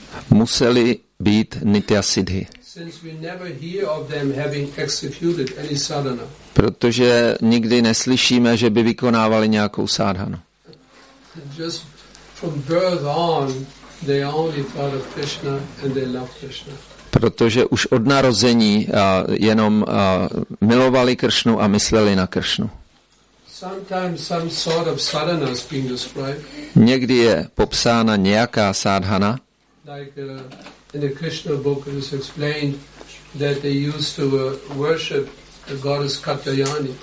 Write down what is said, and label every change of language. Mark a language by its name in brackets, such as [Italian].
[Czech] Museli být nityasiddhy. [English] Since we never hear of them having executed any sadhana. [Czech] Protože nikdy neslyšíme, že by vykonávali nějakou sadhanu. [English] Just from birth on, they only thought of Krishna and they loved Krishna. [Czech] Protože už od narození jenom milovali Kršnu a mysleli na Kršnu. [English] Sometimes some sort of sadhana is being described. [Czech] Někdy je popsána nějaká sadhana. [English] Like in the Krishna book it is explained that they used to worship the goddess Katayani.